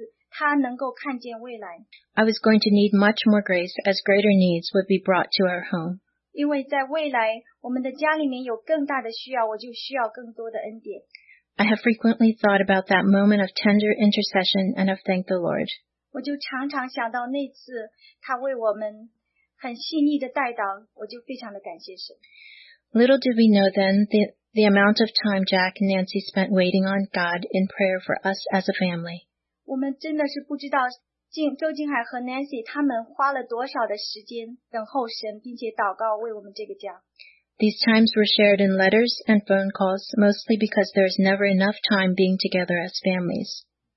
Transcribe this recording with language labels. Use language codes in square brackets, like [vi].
[zh] 我马上就明白了，他的意思其实不是这样，他的意思他能够看见未来。 [en] I was going to need much more grace as greater needs would be brought to our home. [zh] 因为在未来，我们的家里面有更大的需要，我就需要更多的恩典。 [en] I have frequently thought about that moment of tender intercession and have thanked the Lord. [zh] 我就常常想到那次他为我们很细腻的带导，我就非常的感谢神。 [en] Little did we know then the amount of time Jack and Nancy spent waiting on God in prayer for us as a family. [zh] 我们真的是不知道周静海和Nancy他们花了多少的时间等候神，并且祷告为我们这个家。 [en] These times were shared in letters and phone calls, mostly because there is never enough time being together as families.